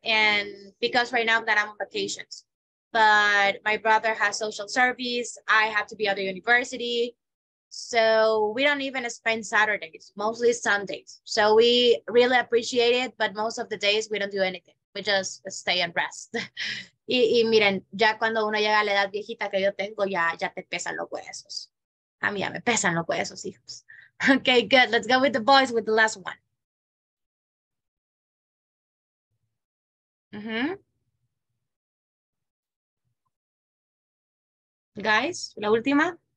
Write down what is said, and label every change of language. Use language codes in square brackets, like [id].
[en] And because right now that I'm on vacations, but my brother has social service. I have to be at the university. So we don't even spend Saturdays, mostly Sundays. So we really appreciate it, but most of the days we don't do anything. We just stay and rest. [es] Y miren, ya cuando uno llega a la edad viejita que yo tengo, ya te pesan los huesos. A mí ya me pesan los huesos, hijos. [en] Okay, good. Let's go with the boys with the last one. Mm-hmm. [es] Guys, la última.